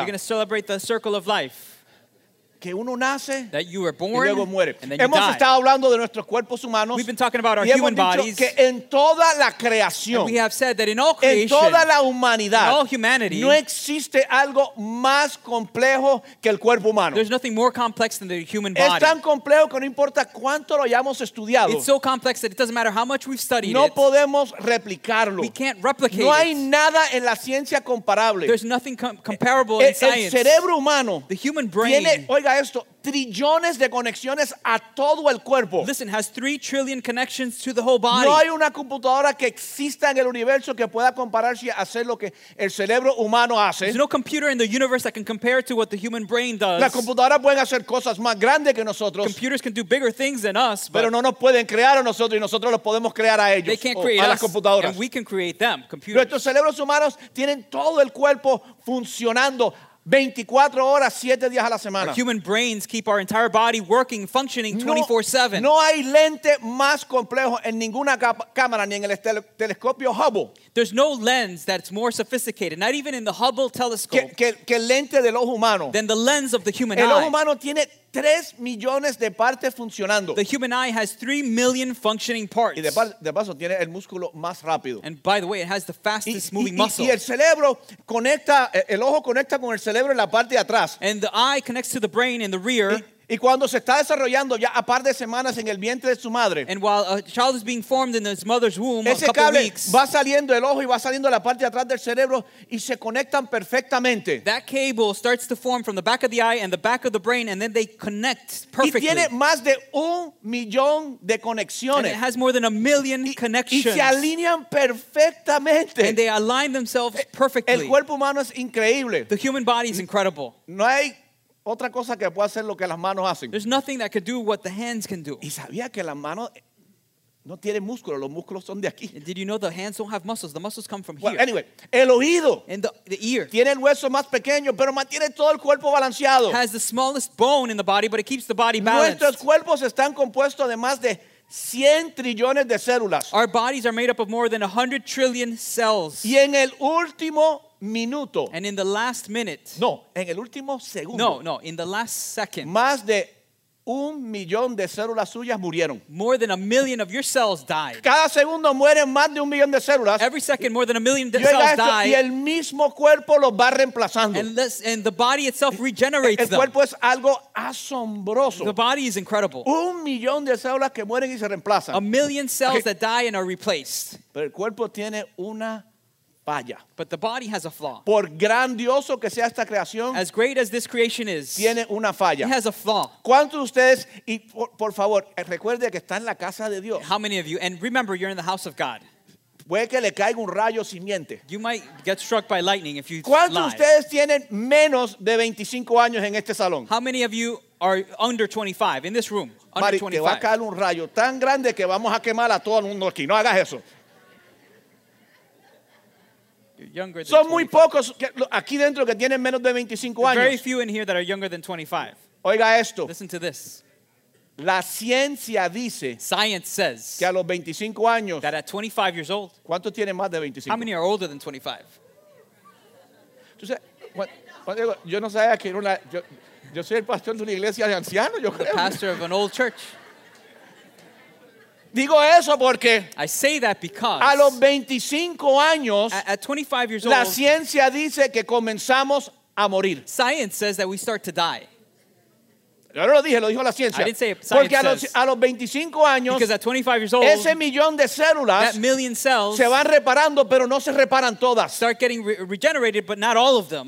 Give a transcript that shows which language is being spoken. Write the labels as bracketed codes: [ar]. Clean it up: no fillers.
[en] You're going to celebrate the circle of life. [es] Que uno nace [en] that you were born, [es] y luego muere. [en] And then you [es] hemos [en] die. [es] Estado hablando de nuestros cuerpos humanos. [en] We've been talking about our [es] y hemos [en] human [es] dicho [en] bodies. [es] Que en toda la creación, [en] and we have said that in all creation, [es] en toda la humanidad, [en] in all humanity, [es] no existe algo más complejo que el cuerpo humano. [en] There's nothing more complex than the human body. [es] Es tan complejo que no importa cuánto lo hayamos estudiado. [en] It's so complex that it doesn't matter how much we've studied [es] no [en] it. [es] No podemos replicarlo. [en] We can't replicate it. [es] No hay nada en la ciencia comparable. [en] There's nothing comparable in science. [es] El cerebro humano, [en] the human brain, [es] oiga esto, trillones de conexiones a todo el cuerpo. [en] Listen, has 3 trillion connections to the whole body. [es] No hay una computadora que exista en el universo que pueda compararse a hacer lo que el cerebro humano hace. [en] There's no computer in the universe that can compare to what the human brain does. [es] Las computadoras pueden hacer cosas más grandes que nosotros. [en] Computers can do bigger things than us. [es] Pero no nos pueden crear a nosotros y nosotros los podemos crear a ellos. [en] They can't create [es] a las computadoras. [en] And we can create them, computers. [es] Nuestros cerebros humanos tienen todo el cuerpo funcionando 24 horas, 7 días a la semana. [en] Our human brains keep our entire body working, functioning 24/7. [es] No hay lente más complejo en ninguna cámara ni en el telescopio Hubble. [en] There's no lens that's more sophisticated, not even in the Hubble telescope. [es] Que el lente del ojo humano. [en] Than the lens of the human [es] el [en] eye. [es] El ojo humano tiene 3 millones de partes funcionando. [en] The human eye has 3 million functioning parts. [es] Y de paso tiene el músculo más rápido. [en] And by the way, it has the fastest moving muscle. [es] Y el cerebro conecta, el ojo conecta con el cerebro en la parte de atrás. [en] And the eye connects to the brain in the rear. [es] Y cuando se está desarrollando ya a par de semanas en el vientre de su madre. [en] And while a child is being formed in his mother's womb, [es] ese [en] a couple weeks, [es] va saliendo el ojo y va saliendo la parte de atrás del cerebro y se conectan perfectamente. [en] That cable starts to form from the back of the eye and the back of the brain and then they connect perfectly. [es] Y tiene más de 1 millón de conexiones. [en] And it has more than 1 million connections. [es] Y se alinean perfectamente. [en] And they align themselves perfectly. [es] El cuerpo humano es increíble. [en] The human body is incredible. [es] No hay otra cosa que puede hacer lo que las manos hacen. [en] There's nothing that could do what the hands can do. [es] Y sabía que las manos no tienen músculo, los músculos son de aquí. [en] And did you know the hands don't have muscles? The muscles come from well, here. Anyway, [es] el oído. [en] And the ear. [es] Tiene el hueso más pequeño, pero mantiene todo el cuerpo balanceado. [en] Has the smallest bone in the body, but it keeps the body balanced. [es] Nuestros cuerpos están compuestos de más de 100 trillones de células. [en] Our bodies are made up of more than 100 trillion cells. [es] Y en el último minuto. [en] And in the last minute. [es] No, en el último segundo. [en] No, in the last second. [es] Más de 1 millón de células suyas murieron. [en] More than 1 million of your cells died. [es] Cada segundo mueren más de 1 millón de células. [en] Every second more than 1 million cells die. [es] Y el mismo cuerpo los va reemplazando. [en] And the body itself regenerates them. [es] El cuerpo es algo asombroso. [en] The body is incredible. [es] 1 millón de células que mueren y se reemplazan. [en] 1 million cells that die and are replaced. [es] Pero el cuerpo tiene una falla. [en] But the body has a flaw. [es] Por grandioso que sea esta creación, [en] as great as this creation is, [es] tiene una falla. [en] It has a flaw. [es] ¿Cuántos de ustedes, y por favor, recuerde que está en la casa de Dios? [en] How many of you, and remember, you're in the house of God. [es] Puede que le caiga un rayo si miente. [en] You might get struck by lightning if you lie. [es] ¿Cuántos de ustedes tienen menos de 25 años en este salón? [en] How many of you are under 25 in this room? Under Mari, 25. [es] Te va a caer un rayo tan grande que vamos a quemar a todo el mundo aquí. No hagas eso. [en] Younger than [es] son muy 25. Pocos que, aquí dentro que tienen menos de 25 [en] very [es] años. [en] Very few in here that are younger than 25. [es] Oiga esto. [en] Listen to this. [es] La ciencia dice, [en] science says, [es] que a los 25 años, [en] that at 25 years old, [es] ¿cuántos tienen más de 25? [en] How many are older than 25? [es] Entonces, yo no sabía que era una, yo soy el pastor de una iglesia de ancianos, yo creo. [en] The pastor of an old church. [es] Digo eso porque [en] I say that because [es] a los 25 años, [en] at 25 years old, [es] la ciencia dice que comenzamos a morir. [en] Science says that we start to die. [es] Yo no lo dije, lo dijo la ciencia. [en] I didn't say it, science [es] porque a los 25 años, [en] because at 25 years old, [es] ese millón de células, [en] that million cells, [es] se van reparando, pero no se reparan todas. [en] Start getting regenerated, but not all of them.